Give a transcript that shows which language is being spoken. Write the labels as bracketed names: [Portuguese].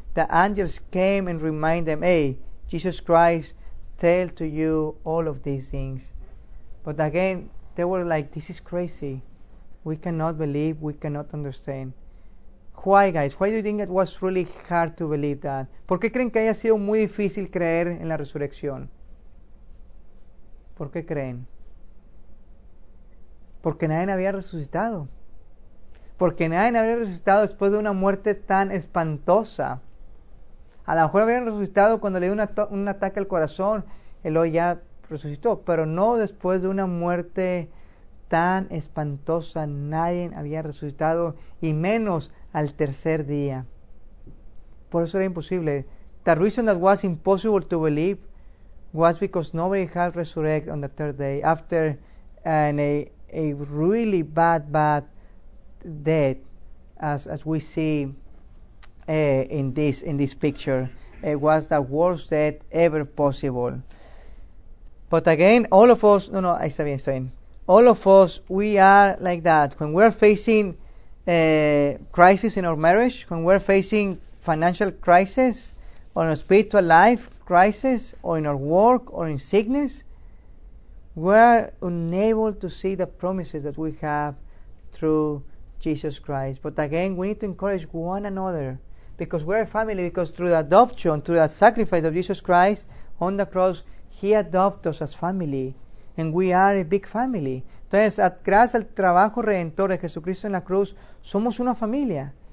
[English] The angels came and remind them, hey, Jesus Christ tell to you all of these things. But again, they were like, this is crazy. We cannot believe, we cannot understand. Why, guys? Why do you think it was really hard to believe that? [Spanish] ¿Por qué creen que haya sido muy difícil creer en la resurrección? ¿Por qué creen? Porque nadie había resucitado. Porque nadie había resucitado después de una muerte tan espantosa. A lo mejor habían resucitado cuando le dio un ataque al corazón, él hoy ya resucitó, pero no después de una muerte tan espantosa, nadie había resucitado, y menos al tercer día. Por eso era imposible. [English] The reason that was impossible to believe was because nobody had resurrected on the third day after a really bad death, as we see in this picture. It was the worst death ever possible. But again, all of us, no, [Spanish] está bien, está bien. [English] All of us, we are like that. When we're facing crisis in our marriage, when we're facing financial crisis, or in a spiritual life crisis, or in our work, or in sickness, we're unable to see the promises that we have through Jesus Christ. But again, we need to encourage one another, because we're a family, because through the adoption, through the sacrifice of Jesus Christ on the cross, He adopted us as family. And we are a big family. [Spanish] Entonces, gracias al trabajo redentor de Jesucristo en la cruz, somos una familia.